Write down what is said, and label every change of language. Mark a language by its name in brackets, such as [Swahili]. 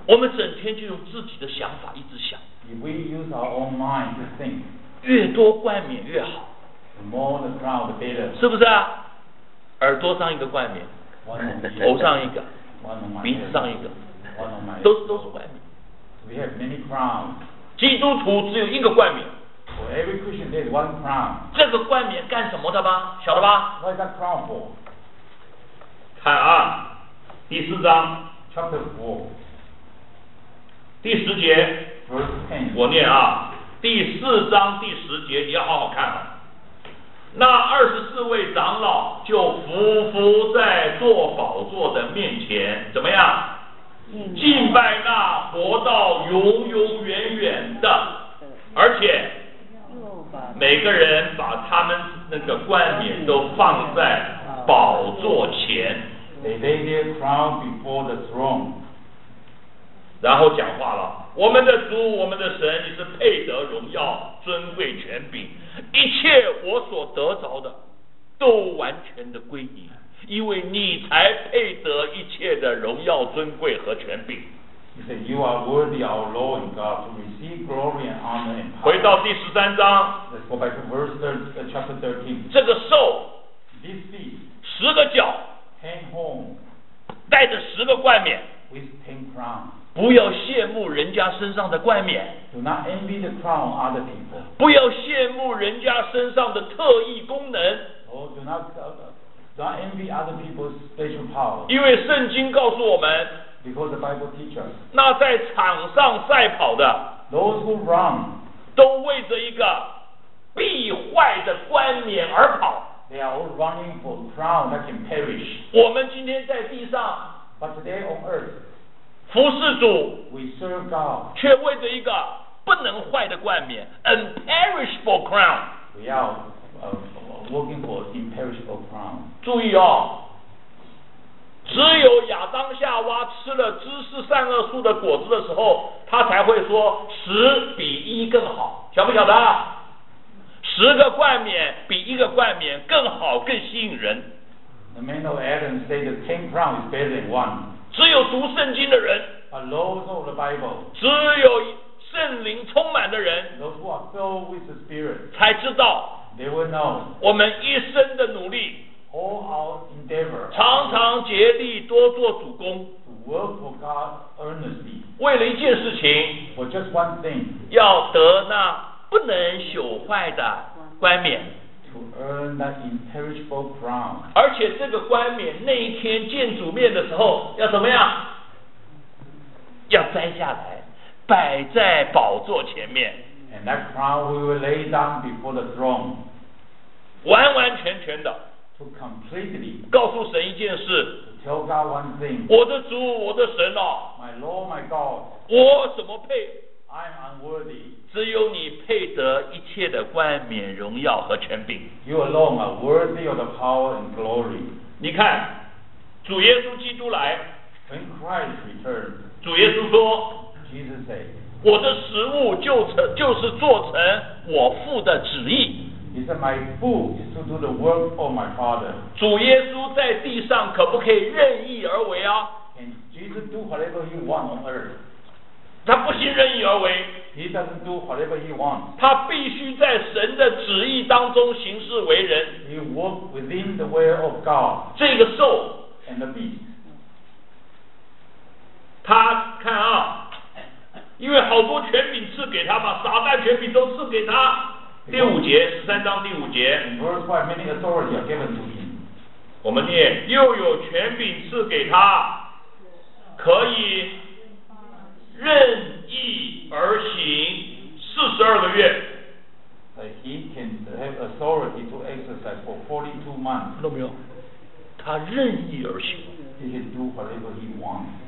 [Chinese] 我们整天就用自己的想法一直想。 [English] If we use our own mind to think, [Chinese] 越多冠冕越好。 [English] The more the crown, the better. [Chinese] 是不是啊？耳朵上一个冠冕， [English] one on [Chinese] the 头上一个， [English] one on my [Chinese] 鼻子上一个， [English] one on my [Chinese] 都是冠冕。 [English] We have many crowns. [Chinese] 基督徒只有一个冠冕。 [English] For every Christian, there is one crown. [Chinese] 这个冠冕干什么的吧？晓得吧？ [English] What is that crown for? [Chinese] 看啊，第四章 [English] ，Chapter Four， [Chinese] 第十节 [English] ，Verse Ten， [Chinese] 我念啊，第四章第十节，你要好好看啊。那二十四位长老就伏伏在坐宝座的面前，怎么样？敬拜那活到永永远远的，而且每个人把他们那个冠冕都放在宝座前。 [English] They lay their crown before the throne. [Chinese] 然后讲话了，我们的主，我们的神，你是配得荣耀、尊贵、权柄，一切我所得着的，都完全的归你，因为你才配得一切的荣耀、尊贵和权柄。 [English] He said, "You are worthy, our Lord and God, to receive glory and honor and power." [Chinese] 回到第十三章。 [English] Let's go back to verse chapter 13. [Chinese] 这个兽 [English] ，this beast， [Chinese] 十个角。 [English] Ten horns, [Chinese] 带着十个冠冕 [English] ，with 10 crowns, [Chinese] 不要羡慕人家身上的冠冕。 [English] Do not envy the crown of other people. [Chinese] 不要羡慕人家身上的特异功能。 [English] Oh, do not envy other people's special power. [Chinese] 因为圣经告诉我们。 [English] Because the Bible teaches. [Chinese] 那在场上赛跑的。 [English] Those who run. [Chinese] 都为着一个必坏的冠冕而跑。 [English] They are all running for a crown that can perish. [Chinese] 我们今天在地上。 [English] But today on earth. [Chinese] 服侍主 [English] We serve God, [Chinese] 却为着一个不能坏的冠冕 [English] imperishable crown [Chinese] 不要、 [English] working for imperishable crown [Chinese] 注意哦只有亚当夏娃吃了知识善恶树的果子的时候他才会说十比一更好晓不晓得十个冠冕比一个冠冕更好更吸引人 [English] The man of Adam said that 10 crowns is better than one [Chinese] 只有读圣经的人 [English] Those of the Bible, [Chinese] 只有圣灵充满的人 [English] Those who are filled with the Spirit, [Chinese] 才知道 [English] they will know, [Chinese] 我们一生的努力 [English] all our endeavor, [Chinese] 常常竭力多做主工 [English] to work for God earnestly, [Chinese] 为了一件事情 [English] for just one thing, [Chinese] 要得那不能朽坏的冠冕 [English] to earn that imperishable crown, [Chinese] 而且这个冠冕那一天见主面的时候要怎么样要摘下来摆在宝座前面 [English] and that crown we will lay down before the throne [Chinese] 完完全全的 [English] to completely [Chinese] 告诉神一件事 [English] tell God one thing [Chinese] 我的主我的神啊 [English] my Lord my God [Chinese] 我怎么配 [English] I'm unworthy [Chinese] 只有你配得一切的冠冕荣耀和权柄 [English] you alone are worthy of the power and glory [Chinese] 你看主耶稣基督来 [English] when Christ returns [Chinese] 主耶稣说 [English] Jesus said, [Chinese] 我的食物就是做成我父的旨意 [English] He said, my food is to do the work of my father [Chinese] 主耶稣在地上可不可以任意而为啊 [English] Can Jesus do whatever he wants on earth [Chinese] 他不行任意而为 [English] He doesn't do whatever he wants [Chinese] 他必须在神的旨意当中行事为人 [English] He works within the will of God [Chinese] 这个兽 [English] and the beast [Chinese] 他看啊因为好多权柄赐给他嘛撒旦权柄都赐给他第五节十三章第五节 [English] verse 5, many authority are given to him. [Chinese] 我们念又有权柄赐给他可以任意而行四十二个月 [English] he can have authority to exercise for 42 months [Chinese] 看到没有他任意而行 [English] he can do whatever he wants